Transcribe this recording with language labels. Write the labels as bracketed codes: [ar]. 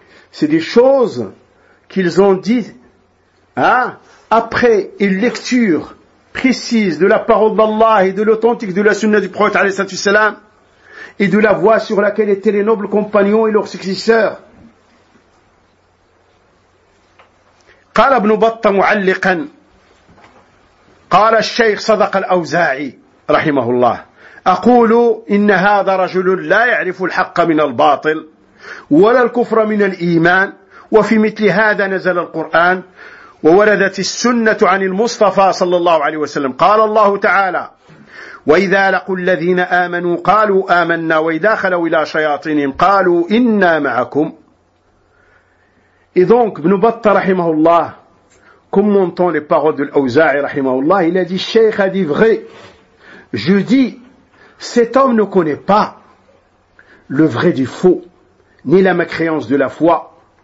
[fr] C'est des choses qu'ils ont dites après une lecture précise de la parole d'Allah et de l'authentique de la sunna du prophète alayhi salatu wasalam et de la voie sur laquelle étaient les nobles compagnons et leurs successeurs. [ar] قال ابن بطة معلقا قال الشيخ صدق الأوزاعي رحمه الله أقول إن هذا رجل لا يعرف الحق من الباطل ولا الكفر من الإيمان وفي مثل هذا نزل القرآن ووردت السنة عن المصطفى صلى الله عليه وسلم. قال الله تعالى وإذا لقوا الذين آمنوا قالوا آمنا وإذا خلوا إلى شياطينهم قالوا إنا معكم. [fr] Et donc ابن بطة [ar] رحمه الله [fr] commentant les paroles de l'Auza'i رحمه الله, il a dit, Cheikh a dit vrai. Je dis, cet homme ne connaît pas le vrai du faux, ni la mécréance de la foi.